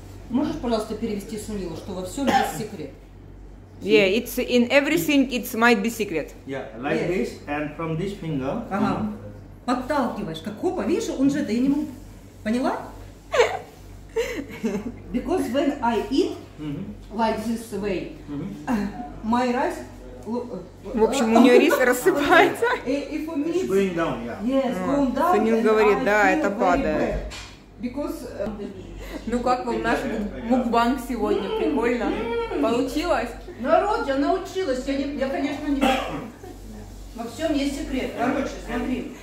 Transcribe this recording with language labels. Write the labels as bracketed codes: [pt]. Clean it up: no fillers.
[ru] Можешь, пожалуйста, перевести Сунила, что во всем есть секрет? [en] Yeah, it's in everything, it might be secret. Yeah, like yes. This, and from this finger... Ага. Mm-hmm. [ru] Подталкиваешь, как хопа, видишь, он же это, я не могу... Поняла? [en] Because when I eat like this way, my rice... [ru] В общем, у нее рис рассыпается. [en] It's going down, yeah. Yes, going down. [ru] Сунил говорит, да, это падает. [en] Because... [ru] Ну как вам наш мукбанг сегодня? Прикольно. Получилось? Народ, я научилась. Я конечно, не... Во всем есть секрет. Короче, смотри.